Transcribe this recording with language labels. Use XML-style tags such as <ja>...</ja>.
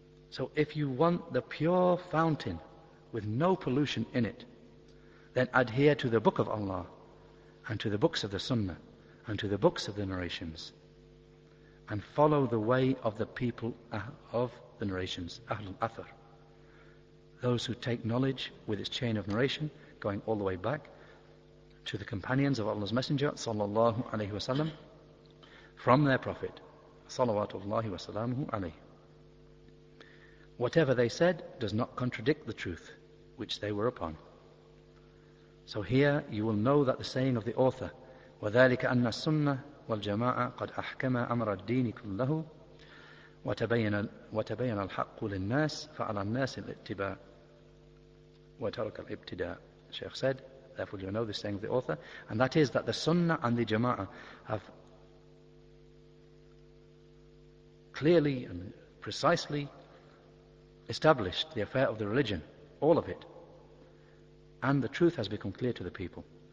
<en>So if you want the pure fountain with no pollution in it, then adhere to the Book of Allah and to the books of the Sunnah and to the books of the narrations, and follow the way of the people of the narrations, Ahl al-Athar, those who take knowledge with its chain of narration going all the way back to the companions of Allah's Messenger, sallallahu alayhi wa sallam, from their Prophet, salawatullahi wa salamuhu alayhi. Whatever they said does not contradict the truth which they were upon. So here you will know that the saying of the author,</en> <ar>وَذَلِكَ أَنَّ السُّنَّةِ وَالْجَمَاعَةِ قَدْ أَحْكَمَ أَمْرَ الدِّينِ كُلَّهُ وَتَبَيَّنَ الْحَقُّ لِلنَّاسِ فَعَلَى النَّاسِ الْإِتِّبَاءِ وَتَرَكَ الْإِبْتِدَاءِ.</ar> <en>Sheikh said, therefore you know this saying of the author, and that is that the Sunnah and the Jama'ah have clearly and precisely established the affair of the religion, all of it, and the truth has become clear to the people.</en>